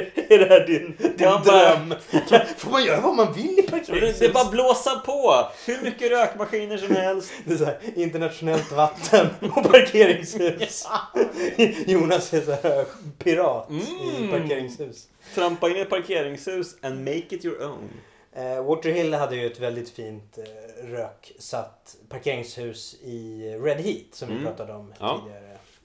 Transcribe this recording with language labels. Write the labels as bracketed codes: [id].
[sv] Är det här din dröm? Får man göra vad man vill i parkeringshus? Det är bara blåsa på. Hur mycket rökmaskiner som helst. Det är så här, internationellt vatten på parkeringshus. Jonas är så här, pirat i parkeringshus. Trampa in i parkeringshus [en] and make it your own. [sv] Walter Hill hade ju ett väldigt fint röksatt parkeringshus i Red Heat som vi pratade om tidigare.